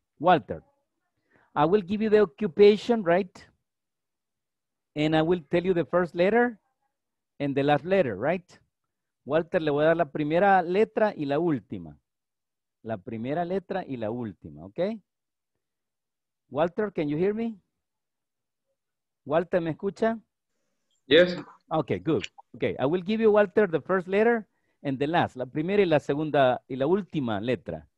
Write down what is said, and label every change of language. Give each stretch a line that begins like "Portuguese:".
English: Walter, I will give you the occupation, right? And I will tell you the first letter and the last letter, right?
Spanish: Walter, le voy a dar la primera letra y la última. La primera letra y la última, okay? Walter,
English: can you hear me?
Spanish: Walter, ¿me escucha?
English: Yes. Okay, good. Okay, I will give you, Walter, the first letter and the last.
Spanish: La primera y la segunda y la última letra.